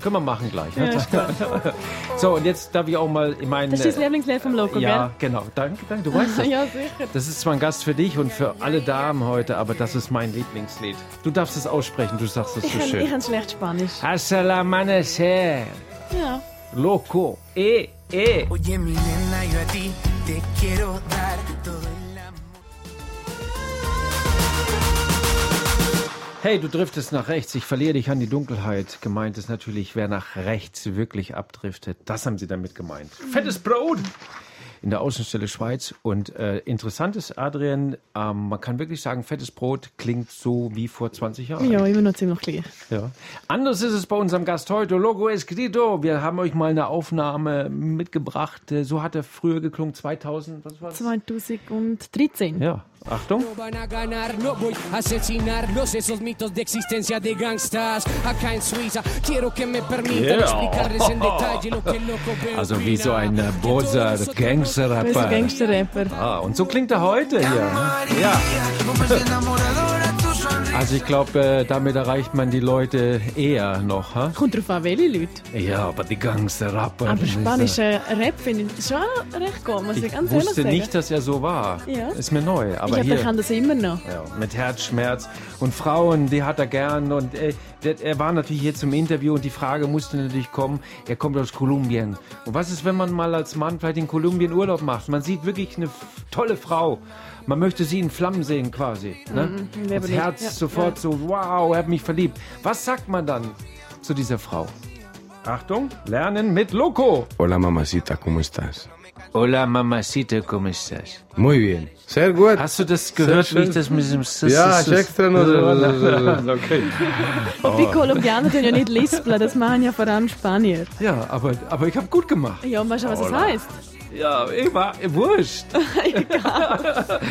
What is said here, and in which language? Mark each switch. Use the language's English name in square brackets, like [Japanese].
[German] Können wir machen gleich. Ne? Ja, so, und jetzt darf ich auch mal in meinen... Das ist das Lieblingslehr vom Loco, ja, gell? Genau. Danke, danke. Du weißt es. Ja, sicher. Das ist zwar ein Gast für dich und für alle Damen heute, aber das ist mein Lieblingslied. Du darfst es aussprechen. Du sagst es so schön. Ich kann schlecht Spanisch. [Spanish] Hasta la amanecer. [German] Ja. Loco. [Spanish] Oye, mi nena, yo a ti te quiero dar todo. [German] Hey, du driftest nach rechts, ich verliere dich an die Dunkelheit. Gemeint ist natürlich, wer nach rechts wirklich abdriftet. Das haben sie damit gemeint. Fettes Brot in der Außenstelle Schweiz. Und interessant ist, Adrian, man kann wirklich sagen, fettes Brot klingt so wie vor 20 Jahren. Ja, immer noch ziemlich gleich. Ja. Anders ist es bei unserem Gast heute, Loco Escrito. Wir haben euch mal eine Aufnahme mitgebracht. So hat er früher geklungen, 2013. Ja. Achtung. [Spanish] No van a ganar, no voy a asesinar los esos mitos de existencia de gangsters. Acá en Suiza, quiero que me permitan explicarles en detalle lo que loco veo. [German] Also wie so ein Bozer Gangster-Rapper. Ein Gangster-Rapper. Ah, und so klingt er heute hier. Ja. Also ich glaube, damit erreicht man die Leute eher noch. Ha? Kommt drauf an, welche Leute? Ja, aber die ganzen Rapper. Aber spanischer Rap finde ich schon recht gut, muss ich ganz ehrlich sagen. Ich wusste nicht, dass er so war. Ja. Ist mir neu. Aber ich kann das immer noch. Ja, mit Herzschmerz. Und Frauen, die hat er gern. Und er war natürlich hier zum Interview und die Frage musste natürlich kommen. Er kommt aus Kolumbien. Und was ist, wenn man mal als Mann vielleicht in Kolumbien Urlaub macht? Man sieht wirklich eine tolle Frau. Man möchte sie in Flammen sehen quasi. Ne? Mm-hmm, das Herz ja, sofort ja. So, wow, er hat mich verliebt. Was sagt man dann zu dieser Frau? Achtung, lernen mit Loco. [Spanish] Hola mamacita, ¿cómo estás? Hola mamacita, ¿cómo estás? Muy bien. [German] Sehr gut. Hast du das gehört, wie ich das mit dem Sus... Ja, ich extra noch. Okay. Oh. Die Kolumbianer tun ja nicht lispeln, das machen ja vor allem Spanier. Ja, aber ich habe gut gemacht. Ja, und weißt du, was das heißt? Ja, ich war wurscht. Egal.